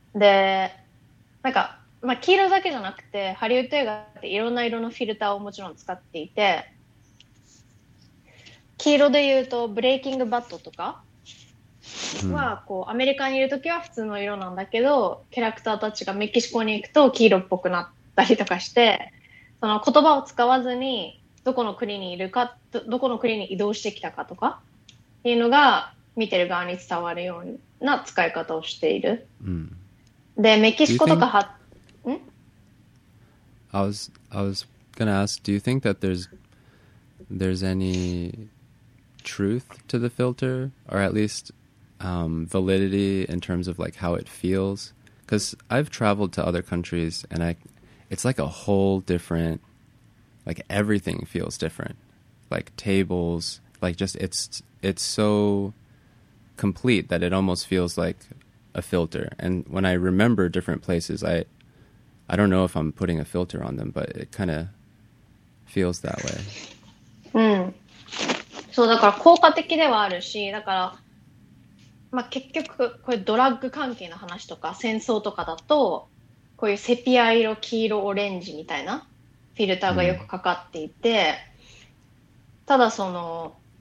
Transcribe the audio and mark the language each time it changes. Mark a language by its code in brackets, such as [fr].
[ja] でなんか、まあ、黄色だけじゃなくてハリウッド映画っていろんな色のフィルターをもちろん使っていて、黄色で言うとブレイキングバッドとかはこうアメリカにいるときは普通の色なんだけど、キャラクターたちがメキシコに行くと黄色っぽくなったりとかして、その言葉を使わずにどこの国にいるか、どこの国に移動してきたかとかっていうのが見てる側に伝わるような使い方をしている。うん、で、メキシコとかは、 [en] I was gonna ask, do you think that there's any truth to the filter, or at least validity in terms of like how it feels? Because I've traveled to other countries and it's like a whole different, like everything feels different, like tables, like just it's so complete that it almost feels like a filter. And when I remember different places, I don't know if I'm putting a filter on them, but it kind of feels that way. [ja] うん、そうだから効果的ではあるし、だからまあ結局これドラッグ関係の話とか戦争とかだと、こういうセピア色、黄色、オレンジみたいなフィルターがよくかかっていて、うん、ただその、